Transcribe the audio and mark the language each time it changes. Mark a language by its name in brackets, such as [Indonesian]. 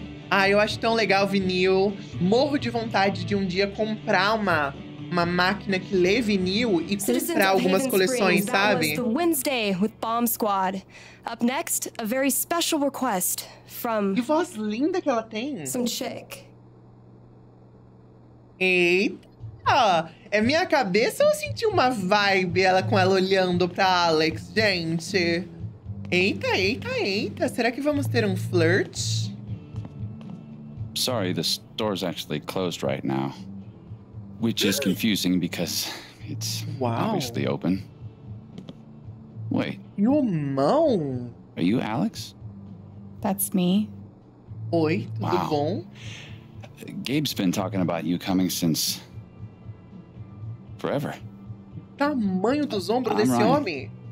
[Portuguese] Ah, eu acho tão legal o vinil. Morro de vontade de um dia comprar uma máquina que lê vinil e comprar algumas coleções, sabe? [English] That was the Wednesday with Bomb Squad. Up next, a very special request from... [Portuguese] Que voz linda que ela tem! [English] Some chick. [Portuguese] Eita! É minha cabeça ou eu senti uma vibe ela com ela olhando pra Alex, gente? Eita, eita, eita! Será que vamos ter um flirt? [English] Sorry, the store's actually closed right now. Which is confusing because it's obviously open. Wait. Your mom. Are you Alex? That's me. [Portuguese] Oi, tudo bom? [English] Gabe's been talking about you coming since forever. [Portuguese] Tamanho dos ombros desse homem.